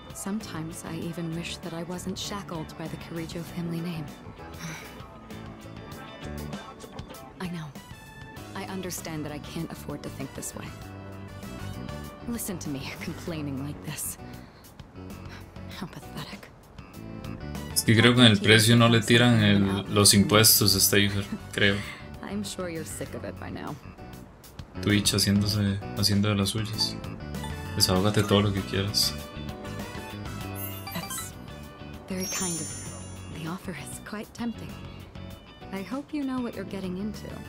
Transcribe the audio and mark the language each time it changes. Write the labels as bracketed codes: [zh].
[en] Sometimes I even wish that I wasn't shackled by the Kirijo family name. I know. I understand that I can't afford to think this way. Listen to me complaining like this. How pathetic. [es] Es que creo que con el precio no le tiran los impuestos a Stafer, creo. [en] I'm sure you're sick of it by now. [es] Twitch haciendo de las suyas. Desahógate todo lo que quieras. [en] That's very kind of you. The offer is quite tempting. I hope you know what you're getting into.